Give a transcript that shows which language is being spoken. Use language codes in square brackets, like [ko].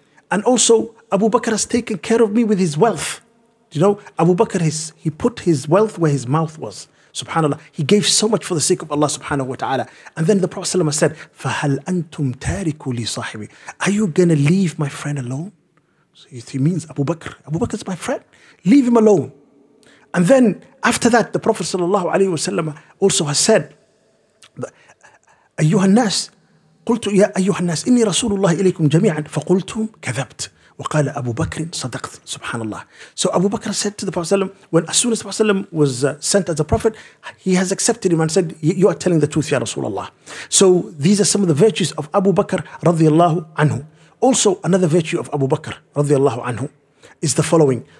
[en] And also, Abu Bakr has taken care of me with his wealth." You know, Abu Bakr, he put his wealth where his mouth was. Subhanallah. He gave so much for the sake of Allah subhanahu wa ta'ala. And then the Prophet ﷺ said, [ar] "Fahal antum tariku li sahibi." [en] Are you going to leave my friend alone? So he means Abu Bakr. Abu Bakr is my friend. Leave him alone. And then after that, the Prophet ﷺ also has said, [ar] "Ayyuhan nas, قُلْتُ يَا أَيُّهَا النَّاسِ إِنِّي رَسُولُ اللَّهِ إِلَيْكُمْ جَمِيعًا فَقُلْتُمْ كَذَبْتُ وَقَالَ أَبُو بَكْرٍ صَدَقْتُ." [en] Subhanallah. So Abu Bakr said to the Prophet ﷺ, when as soon as the Prophet ﷺ was sent as a prophet, he has accepted him and said, "You are telling the truth, ya Rasulullah." So these are some of the virtues of Abu Bakr radiallahu anhu. Also, another virtue of Abu Bakr radiallahu anhu is the following.